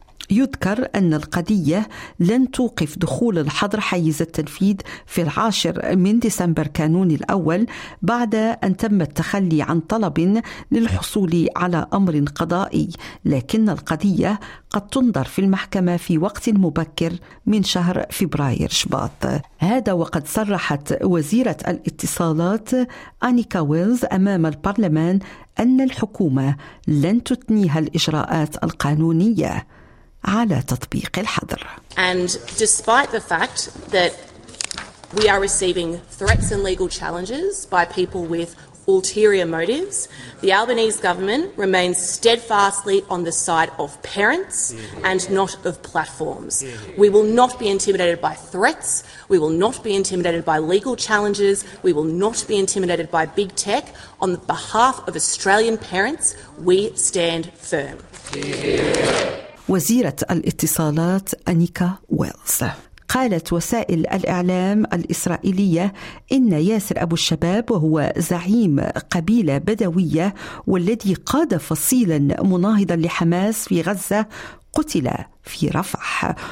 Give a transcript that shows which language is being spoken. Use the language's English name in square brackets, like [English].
[Arabic] يذكر أن القضية لن توقف دخول الحظر حيز التنفيذ في 10 ديسمبر كانون الأول بعد أن تم التخلي عن طلب للحصول على أمر قضائي، لكن القضية قد تنظر في المحكمة في وقت مبكر من شهر فبراير شباط. هذا وقد صرحت وزيرة الاتصالات أنيكا ويلز أمام البرلمان أن الحكومة لن تتنيها الإجراءات القانونية على تطبيق الحظر. [English] And despite the fact that we are receiving threats and legal challenges by people with ulterior motives, the Albanese government remains steadfastly on the side of parents and not of platforms. We will not be intimidated by threats. We will not be intimidated by legal challenges. We will not be intimidated by big tech. On behalf of Australian parents, we stand firm. [Arabic] وزيرة الاتصالات أنيكا ويلز. قالت وسائل الإعلام الإسرائيلية إن ياسر أبو الشباب، وهو زعيم قبيلة بدوية والذي قاد فصيلا مناهضا لحماس في غزة، قتل في رفح.